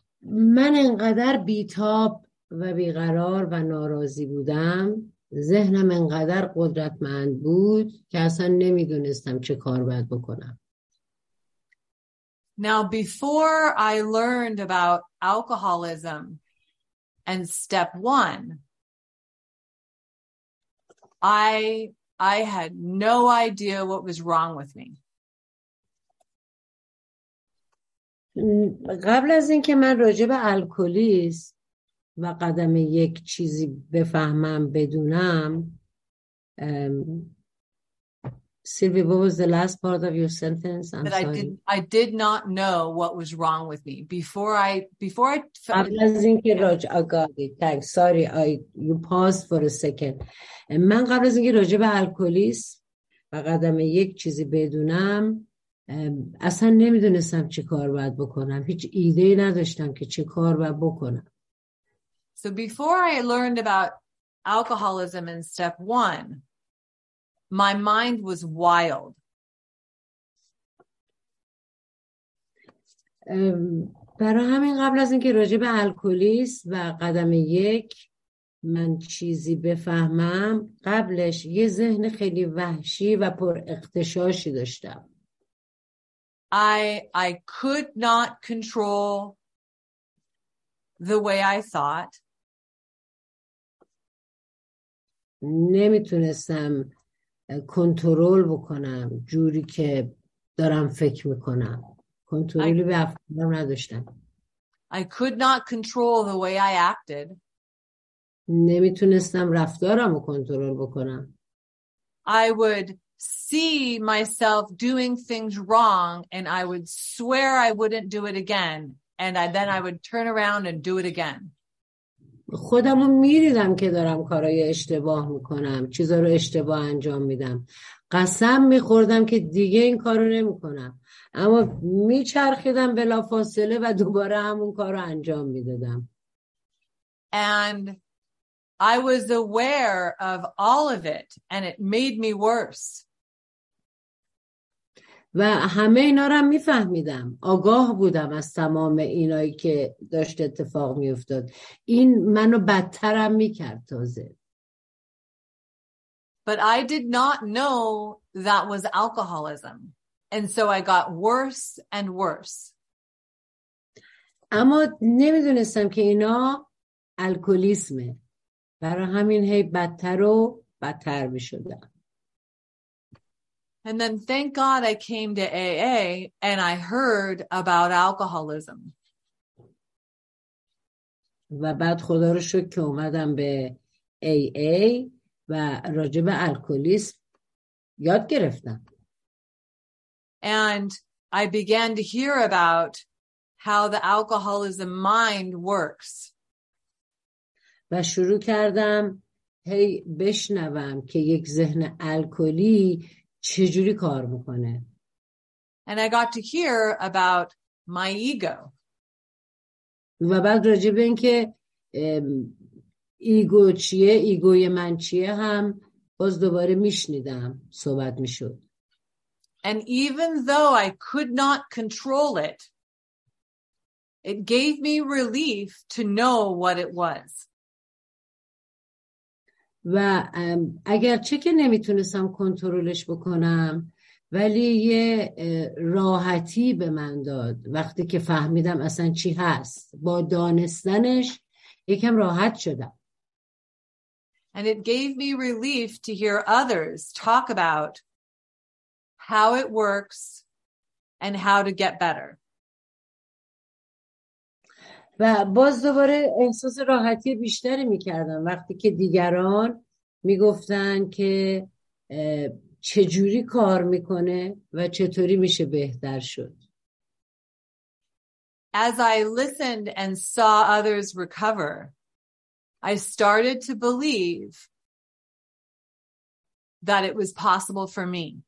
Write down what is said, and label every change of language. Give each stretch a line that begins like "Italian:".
Persian: من انقدر بیتاب و بیقرار و ناراضی بودم، ذهنم انقدر قدرتمند بود که اصلا نمیدونستم چه کار باید بکنم.
English: Now before I learned about alcoholism and step one, I had no idea what was wrong with me.
Persian: قبل از این که من راجع به الکلیسم و قدم یک چیزی بفهمم بدونم، سیلوی،
English: what was the last part of your sentence? I'm sorry. I did not know what was wrong with me before I
Persian: قبل از این که راجع به من قبل از این که راجع به الکلیسم و قدم یک چیزی بدونم، اصلا نمیدونستم چه کار باید بکنم، هیچ ایده‌ای نداشتم که چه کار باید بکنم.
English: So before I learned about alcoholism in step one, my mind was wild.
Persian: برای همین قبل از اینکه راجع به الکلیسم و قدم یک من چیزی بفهمم قبلش یه ذهن خیلی وحشی و پر اغتشاشی داشتم.
English: I could not control the way I thought.
Persian: نمیتونستم کنترل بکنم جوری که دارم فکر میکنم. کنترلی به افکارم نداشتم.
English: I could not control the way I acted.
Persian: نمیتونستم رفتارم رو کنترل بکنم.
English: I would see myself doing things wrong and I would swear I wouldn't do it again and then I would turn around and do it again.
Persian: خودم رو میدیدم که دارم کارای اشتباه میکنم، چیزا رو اشتباه انجام میدم، قسم میخوردم که دیگه این کار رو نمیکنم، اما میچرخیدم بلا فاصله و دوباره همون کار رو انجام میدادم.
English: And I was aware of all of it and it made me worse.
Persian: و همه اینا رو هم میفهمیدم، آگاه بودم از تمام اینایی که داشت اتفاق میافتاد، این منو بدترم میکرد تازه.
English: But I did not know that was alcoholism and so I got worse and worse.
Persian: اما نمیدونستم که اینا الکلیسمه، برای همین هی بدتر و بدتر می شدم.
English: And then thank God I came to AA and I heard about alcoholism.
Persian: و بعد خدا رو شکر که اومدم به AA و راجع به الکلیسم یاد گرفتم.
English: And I began to hear about how the alcoholism mind works.
Persian: و شروع کردم هی بشنوم که یک ذهن الکلی چجوری کار میکنه.
English: And I got to hear about my ego.
Persian: و بعد راجع به این که ایگو چیه، ایگوی من چیه هم باز دوباره میشنیدم، صحبت میشد.
English: And even though I could not control it, it gave me relief to know what it was.
Persian: و اگرچه که نمیتونستم کنترلش بکنم، ولی یه راحتی به من داد وقتی که فهمیدم اصلا چی هست. با دانستنش یکم راحت شدم.
English: And it gave me relief to hear others talk about how it works and how to get better.
Persian: و باز دوباره احساس راحتی بیشتری میکردم وقتی که دیگران میگفتن که چجوری کار میکنه و چطوری میشه بهتر شد.
English: As I listened and saw others recover, I started to believe that it was possible for me.